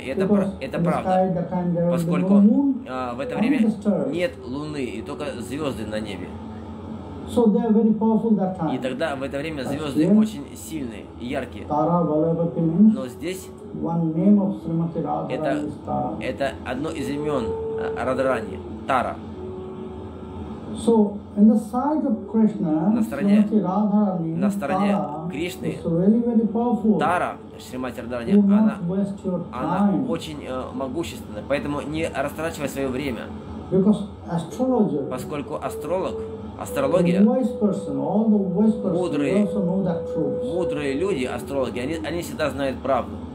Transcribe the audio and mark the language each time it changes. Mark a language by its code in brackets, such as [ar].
[ru] И это правда, поскольку в это время нет Луны, и только звезды на небе. [en] So they are very powerful that time. [ru] И тогда в это время звезды очень сильные и яркие. [en] Tara Valavati means. [ru] Но здесь [en] one name of Srimati Radharani. [ru] Это одно из имен Радхарани. Тара. [en] So in the side of Krishna, Srimati Radharani, [ru] на стороне Кришны, [en] really powerful. [ru] Тара, Шримати Радхарани, она очень могущественна, поэтому не растрачивай свое время. [en] Because astrologer. [ru] Поскольку астролог. Астрология, мудрые люди, астрологи, они всегда знают правду.